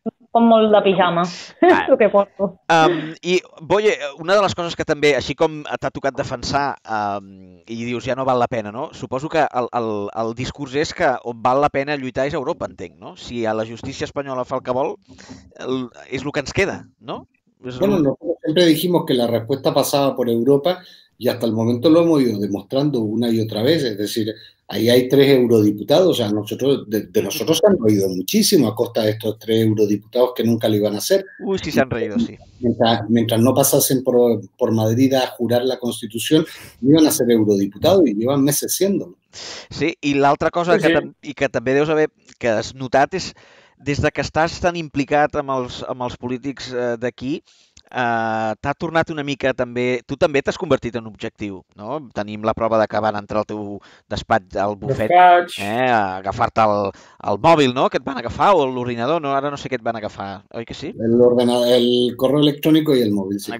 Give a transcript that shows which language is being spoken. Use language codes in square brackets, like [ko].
[ca] Com molt de pijama, el que porto. I, Boye, una de les coses que també, així com t'ha tocat defensar i dius ja no val la pena, no? Suposo que el discurs és que on val la pena lluitar és Europa, entenc, no? Si a la justícia espanyola fa el que vol, és el que ens queda, no? [es] Bueno, nosotros siempre dijimos que la respuesta pasaba por Europa y hasta el momento lo hemos ido demostrando una y otra vez. Es decir, ahí hay tres eurodiputados, o sea, nosotros, de nosotros se han reído muchísimo a costa de estos tres eurodiputados que nunca lo iban a hacer. Uy, sí, se han reído, sí. Mientras no pasasen por Madrid a jurar la Constitución, no iban a ser eurodiputados y llevan meses siéndolo. Sí, y la otra cosa sí, que también debes saber que has notado es... [ca] Des de que estàs tan implicat amb els polítics d'aquí, t'ha tornat una mica també... Tu també t'has convertit en objectiu, no? Tenim la prova d'acabar entrar al teu despatx, al bufet, agafar-te el mòbil, no?, que et van agafar, o l'ordinador, no? Ara no sé què et van agafar, oi que sí? [es] El correo electrónico y el móvil, sí.